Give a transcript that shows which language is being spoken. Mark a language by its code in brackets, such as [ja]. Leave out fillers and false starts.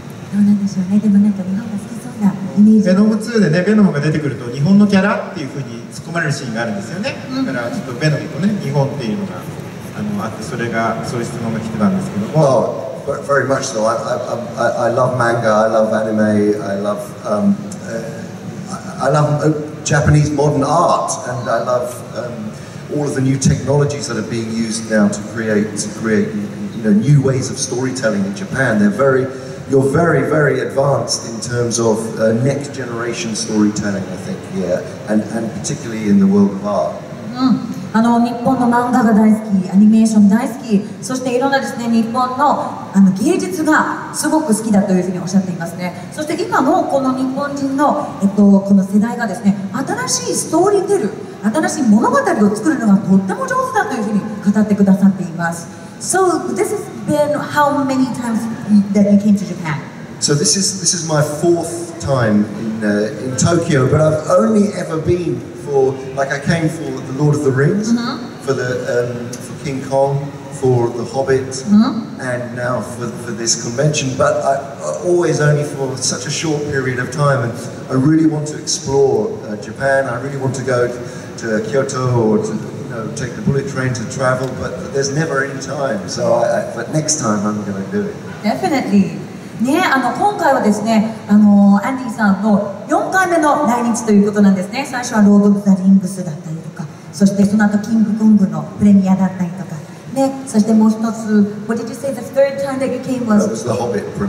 [ja] どうなんでしょうね。でもなんか日本が好きそうなイメージ。ベノム2でね、ベノムが出てくると日本のキャラっていうふうに突っ込まれるシーンがあるんですよね。だからちょっとベノムとね、日本っていうのがあって、それがそういう質問が来てたんですけども。 [en] Very much so. I love manga. I love anime. I love Japanese modern art, and I love all of the new technologies that are being used now to create new ways of storytelling in Japan. You're very very advanced in terms of next generation storytelling, I think, yeah, and particularly in the world of art. Mm. [ja] 日本の漫画が大好き、アニメーション大好き、そしていろんなですね、日本の芸術がすごく好きだというふうにおっしゃっていますね。そして今のこの日本人の、この世代がですね、新しいストーリーテル、新しい物語を作るのがとっても上手だというふうに語ってくださっています。 [en] So this has been how many times that you came to Japan? So this is my fourth time in Tokyo, but I've only ever been. For, like I came for the Lord of the Rings, for King Kong, for the Hobbit, and now for this convention. But I always only for such a short period of time, and I really want to explore Japan. I really want to go to Kyoto or to take the bullet train to travel. But there's never any time. So but next time I'm going to do it. Definitely. [ja] ね、今回はですね、アンディさんの4回目の来日ということなんですね。最初はロード・オブ・ザ・リングスだったりとか、そしてその後キング・コングのプレミアだったりとか、ね、そしてもう一つ、 [en] What did you say the third time that you came was? That was the Hobbit.